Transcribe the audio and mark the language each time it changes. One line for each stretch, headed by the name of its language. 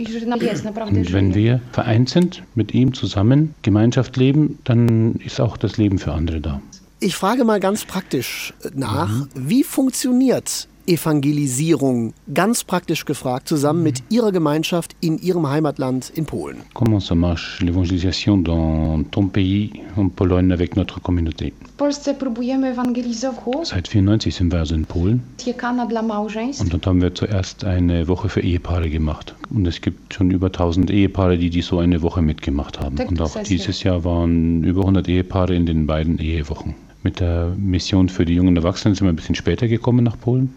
German: Und wenn wir vereint sind, mit ihm zusammen Gemeinschaft leben, dann ist auch das Leben für andere da. Ich frage mal ganz praktisch nach, wie funktioniert Evangelisierung, ganz praktisch gefragt, zusammen mit Ihrer Gemeinschaft in Ihrem Heimatland in Polen?
French: Comment ça marche l'évangélisation dans ton pays, en Pologne, avec notre communauté?
Polish: W Polsce próbujemy ewangelizować.
German: Seit 1994 sind wir also in Polen. Und dort haben wir zuerst eine Woche für Ehepaare gemacht. Und es gibt schon über 1000 Ehepaare, die so eine Woche mitgemacht haben. Und auch dieses Jahr waren über 100 Ehepaare in den beiden Ehewochen. Mit der Mission für die jungen Erwachsenen sind wir ein bisschen später gekommen nach Polen.